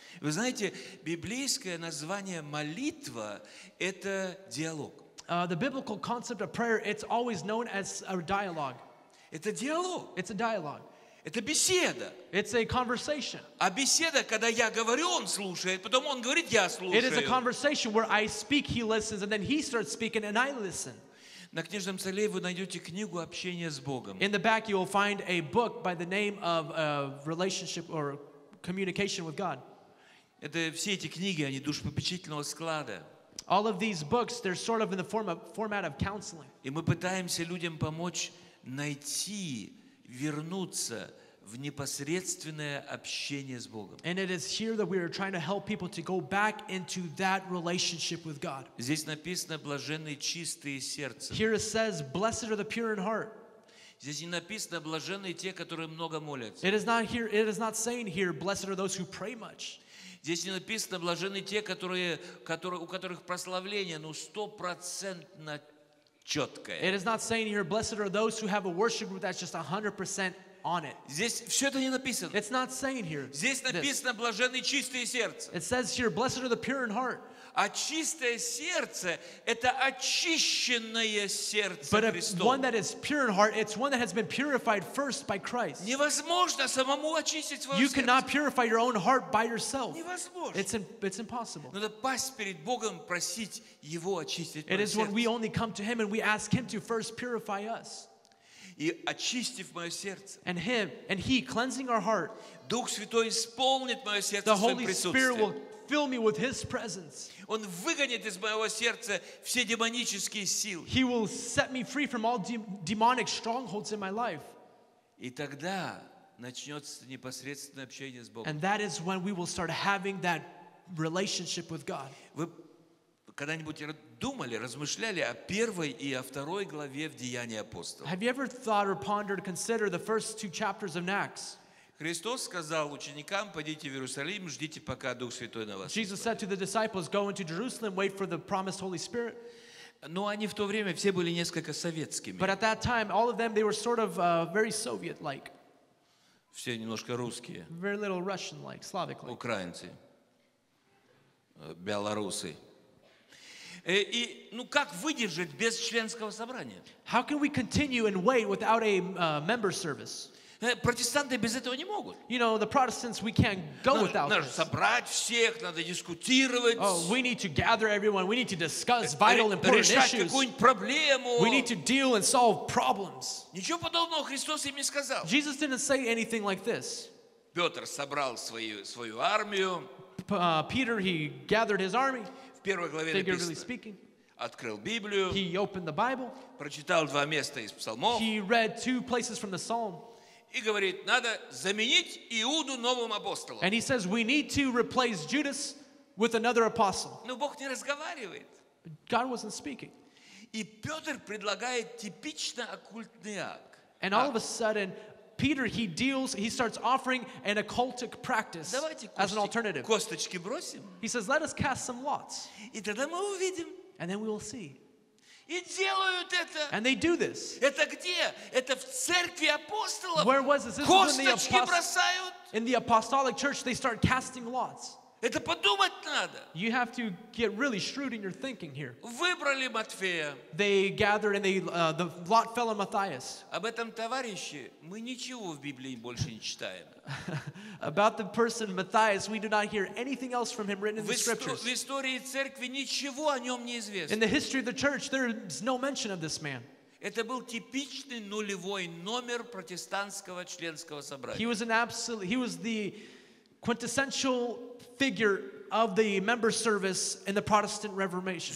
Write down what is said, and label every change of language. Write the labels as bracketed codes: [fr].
[ru] Вы знаете, библейское название молитва – это диалог. [en] The biblical concept of prayer, it's always known as a dialogue. [ru] Это диалог. [en] It's a dialogue. [ru] Это беседа. [en] It's a conversation. [ru] А беседа, когда я говорю, он слушает, потом он говорит, я слушаю. [en] It is a conversation where I speak, he listens, and then he starts speaking and I listen. [ru] На книжном столе вы найдете книгу «Общение с Богом». [en] In the back you will find a book by the name of relationship or communication with God. [ru] Это все эти книги, они душепопечительного склада. [en] All of these books, they're sort of in the format of counseling. [ru] И мы пытаемся людям помочь найти, вернуться в непосредственное общение с Богом. [en] And it is here that we are trying to help people to go back into that relationship with God. [ru] Здесь написано: блаженные чистые сердцем. [en] Here it says, blessed are the pure in heart. [ru] Здесь не написано: блаженные те, которые много молятся. [en] It is not saying here, blessed are those who pray much. [ru] Здесь не написано: блаженны те, у которых прославление, 100% четкое. [en] It is not saying here, blessed are those who have a worship group that's just 100% on it. [ru] Здесь все это не написано. [en] It's not saying here. [ru] Здесь написано, блаженные чистые сердца. [en] It says here, blessed are the pure in heart. [ru] А чистое сердце — это очищенное сердце Христово. [en] But one that is pure in heart, it's one that has been purified first by Christ. [ru] Невозможно самому очистить свое сердце. [en] You cannot purify your own heart by yourself. [ru] Невозможно. [en] It's impossible. [ru] Надо пасть перед Богом, просить Его очистить сердце. [en] It is when we only come to Him and we ask Him to first purify us. [ru] И очистив мое сердце. [en] And Him, and He, cleansing our heart. [ru] Дух Святой исполнит мое сердце своим присутствием. [en] The Holy Spirit will fill me with His presence. [ru] Он выгонит из моего сердца все демонические силы. [en] He will set me free from all demonic strongholds in my life. [ru] И тогда начнется непосредственное общение с Богом. [en] And that is when we will start having that relationship with God. [ru] Вы когда-нибудь думали, размышляли о первой и о второй главе в Деяниях апостолов? [en] Have you ever thought or pondered, considered the first two chapters of Acts? [ru] Христос сказал ученикам: «Пойдите в Иерусалим, ждите, пока Дух Святой на вас». [en] Jesus said to the disciples, "Go into Jerusalem, wait for the promised Holy Spirit." [ru] Но они в то время все были несколько советскими. [en] But at that time, all of them they were sort of very Soviet-like. [ru] Все немножко русские. [en] Very little Russian-like, Slavic-like. [ru] Украинцы, белорусы. И ну как выдержать без членского собрания? [en] How can we continue and wait without a member service? [ru] Протестанты без этого не могут. [en] You know, the Protestants, we can't go without this. [ru] Надо собрать всех, надо дискутировать. [en] Oh, we need to gather everyone. We need to discuss vital, important issues. [ru] Решать какую-нибудь проблему. [en] We need to deal and solve problems. [ru] Ничего подобного Христос им не сказал. [en] Jesus didn't say anything like this. [ru] Петр собрал свою армию. [en] Peter, he gathered his army. [ru] В первой главе написано. [en] Figuratively speaking. [ru] Открыл Библию. [en] He opened the Bible. [ru] Прочитал два места из Псалмов. [en] He read two places from the Psalm. [ru] И говорит, надо заменить Иуду новым апостолом. [en] And he says, we need to replace Judas with another apostle. [ru] Но Бог не разговаривает. [en] God wasn't speaking. [ru] И Петр предлагает типично оккультный акт. [en] And all of a sudden, Peter, he starts offering an occultic practice as an alternative. [ru] Косточки бросим. [en] He says, let us cast some lots. [ru] И тогда мы увидим. [en] And then we will see. [ru] И делают это. [en] And they do this. [ru] Это где? Это в церкви апостолов. [en] Where was this? [ru] Косточки бросают. [en] In the apostolic church, they start casting lots. [ru] Это подумать надо. [en] You have to get really shrewd in your thinking here. [ru] Выбрали Матфея. [en] They gathered and the lot fell on Matthias. [ru] Об этом товарище мы ничего в Библии больше не читаем. [en] About the person Matthias, we do not hear anything else from him written in the scriptures. [ru] В истории церкви ничего о нем не известно. [en] In the history of the church, there is no mention of this man. [ru] Это был типичный нулевой номер протестантского членского собрания. [en] He was the quintessential figure of the member service in the Protestant Reformation.